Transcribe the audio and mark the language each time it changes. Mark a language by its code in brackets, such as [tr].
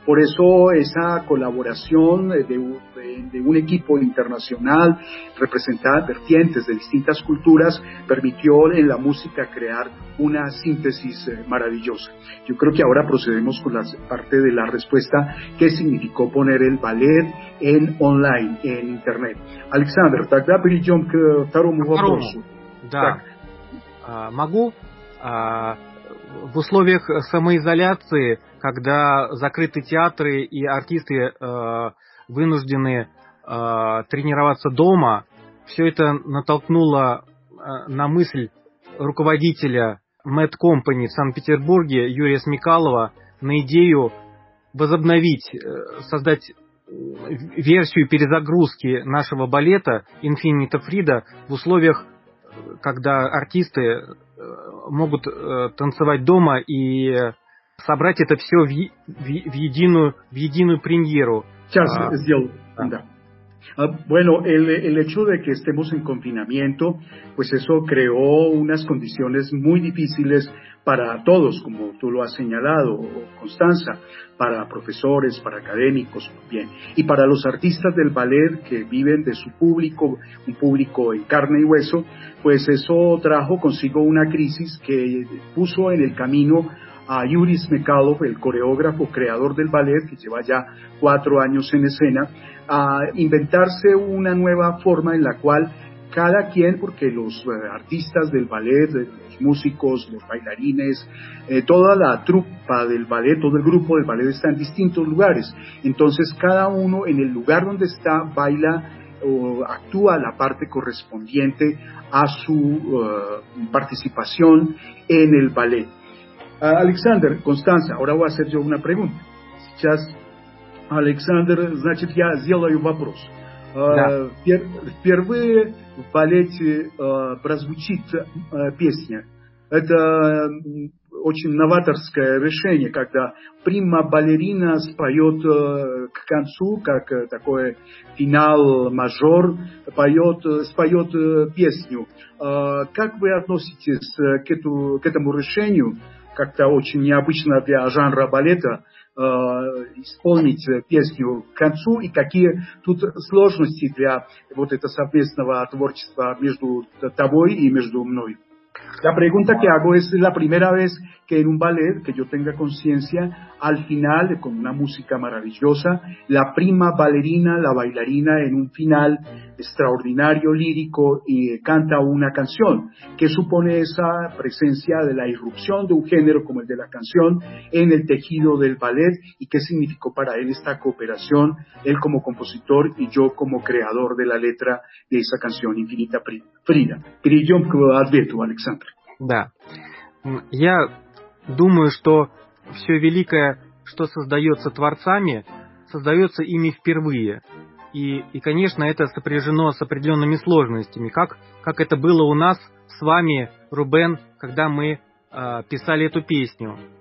[es] Por eso esa colaboración de un equipo internacional, representada vertientes de distintas culturas, permitió en la música crear una síntesis maravillosa. Yo creo que ahora procedemos con la parte de la respuesta: ¿qué significó poner el ballet en online, en internet? [ru] Alexander, тогда перейдем к второму вопросу. Да. Могу? В условиях самоизоляции, когда закрыты театры и артисты вынуждены тренироваться дома, все это натолкнуло на мысль руководителя Mad Company в Санкт-Петербурге Юрия Смекалова на идею возобновить, создать версию перезагрузки нашего балета «Infinita Frida» в условиях, когда артисты могут танцевать дома и собрать это все в единую премьеру. Сейчас сделаю. Да. [es] Bueno, el hecho de que estemos en confinamiento, pues eso creó unas condiciones muy difíciles para todos, como tú lo has señalado, Constanza, para profesores, para académicos, bien, y para los artistas del ballet que viven de su público, un público en carne y hueso, pues eso trajo consigo una crisis que puso en el camino a Yuri Smekalov, el coreógrafo creador del ballet, que lleva ya 4 años en escena, a inventarse una nueva forma en la cual cada quien, porque los artistas del ballet, los músicos, los bailarines, toda la trupa del ballet, todo el grupo del ballet está en distintos lugares. Entonces cada uno en el lugar donde está baila o actúa la parte correspondiente a su participación en el ballet. Alexander, Constanza, ahora voy a hacer yo una pregunta. [ru] Сейчас Александр, значит, я сделаю вопрос. Впервые в балете прозвучит песня. Это очень новаторское решение, когда прима-балерина споет к концу, как такой финал-мажор, споет песню. Как вы относитесь к этому решению? Как-то очень необычно для жанра балета исполнить песню к концу, и какие тут сложности для вот этого совместного творчества между тобой и между мной. [es] La pregunta que hago es la primera vez que en un ballet, que yo tenga conciencia, al final, con una música maravillosa, la prima bailarina, la bailarina en un final extraordinario, lírico, y canta una canción. ¿Qué supone esa presencia de la irrupción de un género como el de la canción en el tejido del ballet? ¿Y qué significó para él esta cooperación, él como compositor y yo como creador de la letra de esa canción, Infinita Prima? [ru] Перейдем к ответу, Александр. Да. Я думаю, что все великое, что создается творцами, создается ими впервые. И, конечно, это сопряжено с определенными сложностями. Как это было у нас с вами, Рубен, когда мы писали эту песню.